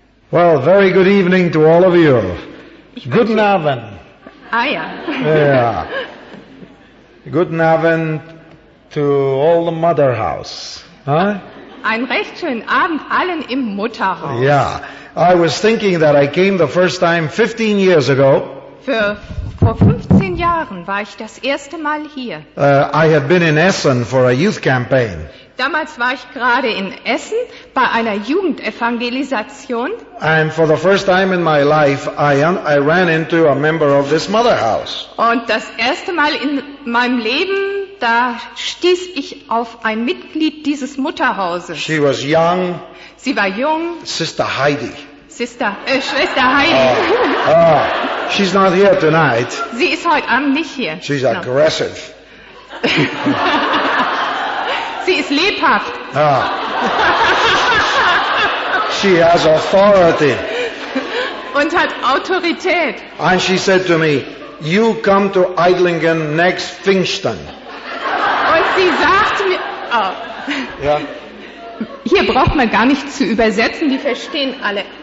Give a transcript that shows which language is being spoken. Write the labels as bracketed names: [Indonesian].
[English] Well, very good evening to all of you. [German] Guten Abend. Aya. Yeah. Guten Abend [English] to all the mother house. Huh? [German] Ein recht schönen Abend allen im Mutterhaus. Yeah. [English] I was thinking that I came the first time 15 years ago. [German] Vor 15 Jahren war ich das erste Mal hier. [English] I had been in Essen for a youth campaign. [German] Damals war ich gerade in Essen bei einer Jugendevangelisation. [English] And for the first time in my life, I ran into a member of this mother house. [German] Und das erste Mal in meinem Leben, da stieß ich auf ein Mitglied dieses Mutterhauses. [English] She was young. [German] Sie war jung. [English] Sister Heidi. [German] Schwester Heidi. [English] She's not here tonight. [German] Sie ist heute Abend nicht hier. [English] She's aggressive. [German] Sie ist lebhaft. [English] She has authority. [German] Und hat Autorität. [English] And she said to me, "You come to Eidlingen next Pfingsten." [German] Und sie sagt mir, yeah. Hier braucht man gar nicht zu übersetzen, die verstehen alle.